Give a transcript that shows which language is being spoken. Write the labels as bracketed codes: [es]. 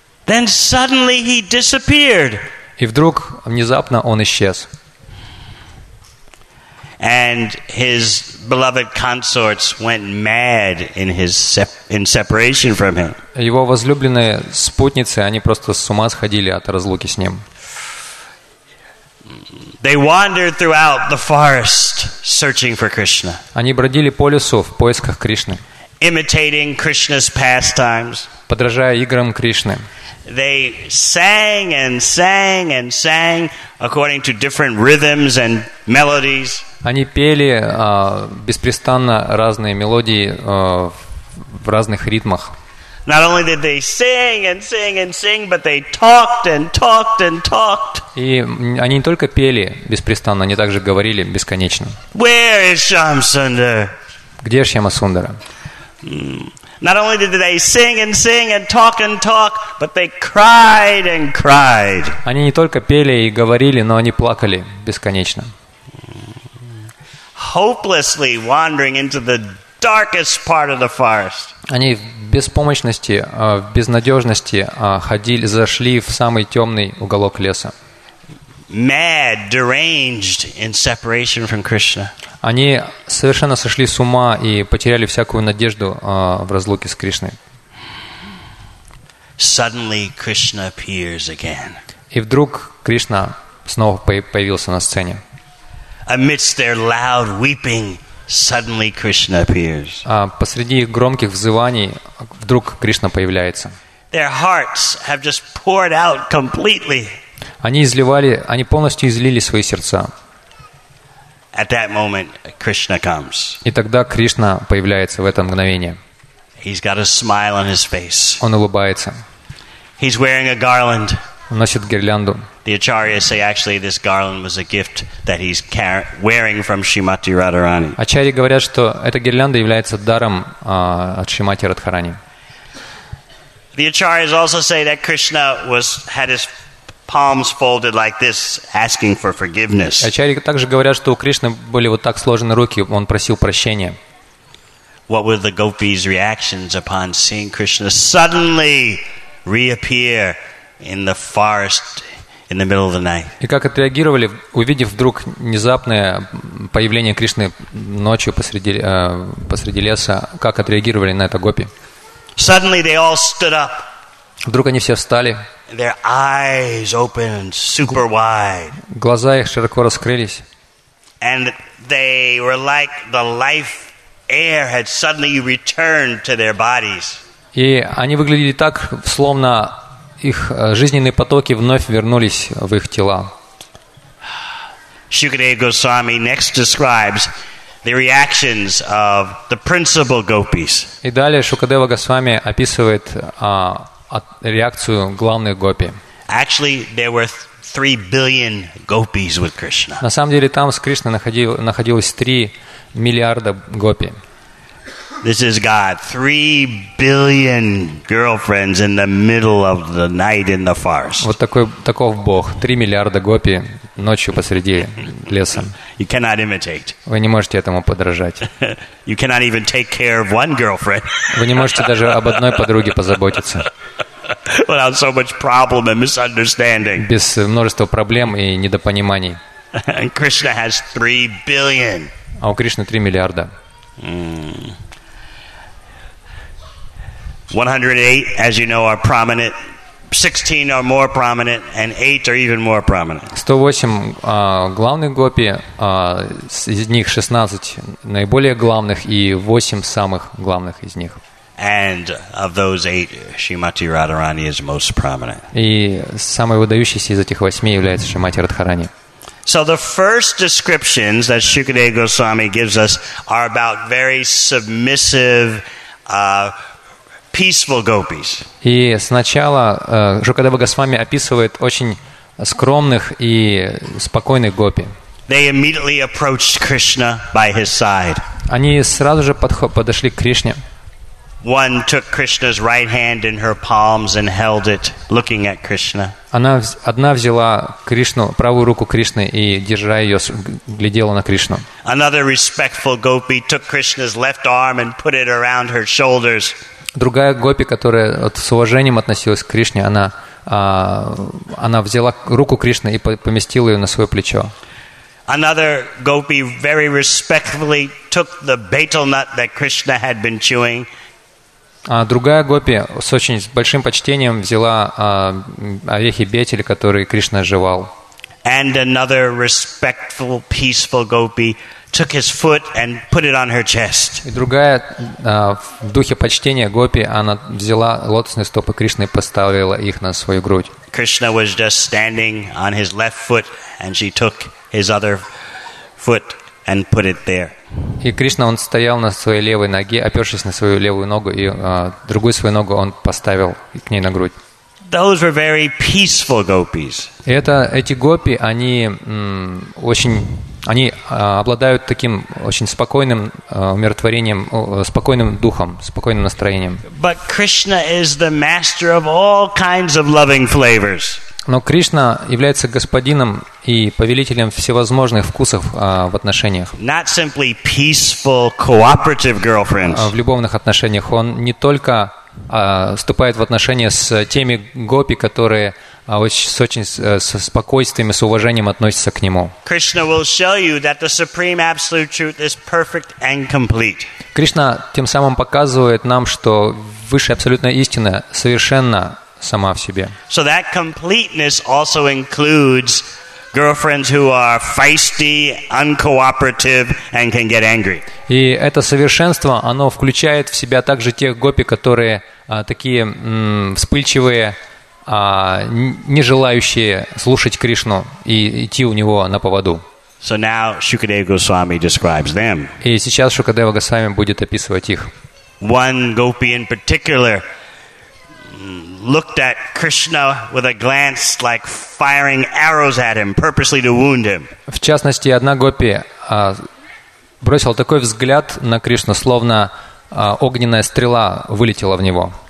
[en] Then suddenly he disappeared. [ru] И вдруг, внезапно, он исчез. [en] And his beloved consorts went mad in his separation from him. [ru] Его возлюбленные спутницы, они просто с ума сходили от разлуки с ним. [en] They wandered throughout the forest searching for Krishna. [ru] Они бродили по лесу в поисках Кришны. [en] Imitating Krishna's pastimes. [ru] Подражая играм Кришны. [en] They sang and sang and sang according to different rhythms and melodies. [ru] Они пели беспрестанно разные мелодии в разных ритмах. [en] Not only did they sing and sing and sing, but they talked and talked and talked. [ru] И они не только пели беспрестанно, они также говорили бесконечно. [en] Where is Shyamasundar? [ru] Где Шьямасундара? [en] Not only did they sing and sing and talk, but they cried and cried. [ru] Они не только пели и говорили, но они плакали бесконечно. [en] Hopelessly wandering into the darkest part of the forest. [ru] Они в беспомощности, в безнадежности ходили, зашли в самый темный уголок леса. [en] Mad, deranged in separation from Krishna. [ru] Они совершенно сошли с ума и потеряли всякую надежду в разлуке с Кришной. [en] Suddenly Krishna appears again. [ru] И вдруг Кришна снова появился на сцене. [en] Amidst their loud weeping, suddenly Krishna appears. [ru] Посреди их громких взываний вдруг Кришна появляется. [en] Their hearts have just poured out completely. [ru] Они полностью излили свои сердца. [en] At that moment, Krishna comes. [ru] И тогда Кришна появляется в это мгновение. [en] He's got a smile on his face. [ru] Он улыбается. [en] He's wearing a garland. [ru] Он носит гирлянду. [en] The acharyas say actually this garland was a gift that he's wearing from Shrimati Radharani. [ru] Ачарьи говорят, что эта гирлянда является даром от Шримати Радхарани. [en] The acharyas also say that Krishna had his palms folded like this, asking for forgiveness. [ru] Ачарьи также говорят, что у Кришны были вот так сложены руки, он просил прощения. [en] What were the gopis' reactions upon seeing Krishna suddenly reappear in the forest in the middle of the night? [ru] И как отреагировали, увидев вдруг внезапное появление Кришны ночью посреди леса? Как отреагировали на это гопи? [en] Suddenly they all stood up. [ru] Вдруг они все встали. [en] Their eyes opened super wide. [ru] Глаза их широко раскрылись. [en] And they were like the life air had suddenly returned to their bodies. [ru] И они выглядели так, словно их жизненные потоки вновь вернулись в их тела. [en] Shukadeva Goswami next describes the reactions of the principal gopis. [ru] И далее Шукадева Госвами описывает реакцию главных гопи. [en] Actually, there were 3 billion gopis with Krishna. [ru] На самом деле там с Кришной находилось 3 миллиарда гопи. [en] This is God, 3 billion girlfriends in the middle of the night in the forest. [ru] Вот такой таков Бог, 3 миллиарда гопи ночью посреди леса. [en] You cannot imitate. [ru] Вы не можете этому подражать. [en] You cannot even take care of one girlfriend. [ru] Вы не можете даже об одной подруге позаботиться. [en] Without so much problem and misunderstanding. [ru] Без множества проблем и недопониманий. [en] And Krishna has 3 billion. [ru] А у Кришны 3 миллиарда. [en] 108, as you know, are prominent. 16 are more prominent, and 8 are even more prominent. [ru] 108 главных гопи, из них 16 наиболее главных и 8 самых главных из них. [en] And of those 8, Shrimati Radharani is most prominent. [ru] И самой выдающейся из этих 8 является Шримати Радхарани. [en] So the first descriptions that Shukadeva Goswami gives us are about very submissive, peaceful gopis. [ru] И сначала Шукадева Госвами описывает очень скромных и спокойных гопи. [en] They immediately approached Krishna by his side. [ru] Они сразу же подошли к Кришне. [en] One took Krishna's right hand in her palms and held it, looking at Krishna. [ru] Одна взяла Кришну, правую руку Кришны и, держа ее, глядела на Кришну. [en] Another respectful gopi took Krishna's left arm and put it around her shoulders. [ru] Другая гопи, которая с уважением относилась к Кришне, она взяла руку Кришны и поместила ее на свое плечо. [en] Another gopi very respectfully took the betel nut that Krishna had been chewing. [ru] А другая гопи с очень большим почтением взяла орехи бетель, которые Кришна жевал. [en] And another respectful, peaceful gopi took his foot and put it on her chest. [ru] И другая в духе почтения гопи, она взяла лотосные стопы Кришны и поставила их на свою грудь. [en] Krishna was just standing on his left foot, and she took his other foot and put it there. [ru] И Кришна, он стоял на своей левой ноге, опершись на свою левую ногу, и другую свою ногу он поставил к ней на грудь. [en] Those were very peaceful gopis. [ru] Эти гопи, они обладают таким очень спокойным умиротворением, спокойным духом, спокойным настроением. [en] But Krishna is the master of all kinds of loving flavors. [ru] Но Кришна является господином и повелителем всевозможных вкусов в отношениях. [en] Not simply peaceful cooperative girlfriends. [ru] В любовных отношениях он не только вступает в отношения с теми гопи, которые с спокойствием и с уважением относятся к нему. [en] Krishna will show you that the supreme absolute truth is perfect and complete. [ru] Кришна тем самым показывает нам, что высшая абсолютная истина совершенна сама в себе. [en] So that completeness also includes girlfriends who are feisty, uncooperative, and can get angry. [ru] И это совершенство, оно включает в себя также тех гопи, которые такие вспыльчивые, не желающие слушать Кришну и идти у него на поводу. [en] So now Shukadeva Goswami describes them. [ru] И сейчас Шукадева Госвами будет описывать их. [en] One gopi in particular looked at Krishna with a glance like firing arrows at him, purposely to wound him. [ru] В частности, одна гопи бросила такой взгляд на Кришну, словно огненная стрела вылетела в него.